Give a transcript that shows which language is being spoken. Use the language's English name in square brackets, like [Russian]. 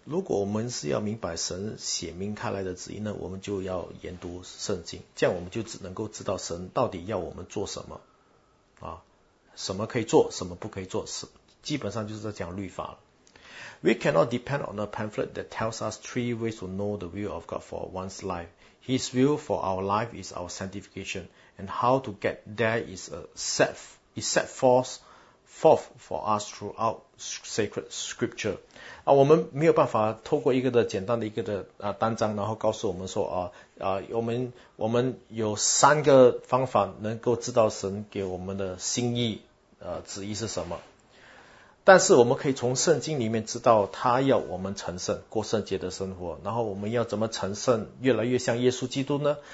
[Chinese] 如果我们是要明白神写明开来的旨意呢，我们就要研读圣经，这样我们就只能够知道神到底要我们做什么，什么可以做，什么不可以做，基本上就是在讲律法了。 [English] We cannot depend on a pamphlet that tells us three ways to know the will of God for one's life. His will for our life is our sanctification. And how to get there is set forth for us throughout sacred scripture. [Chinese] 我们没有办法透过一个的简单的一个的单章，然后告诉我们说我们有三个方法能够知道神给我们的心意旨意是什么。但是我们可以从圣经里面知道他要我们成圣，过圣洁的生活，然后我们要怎么成圣，越来越像耶稣基督呢？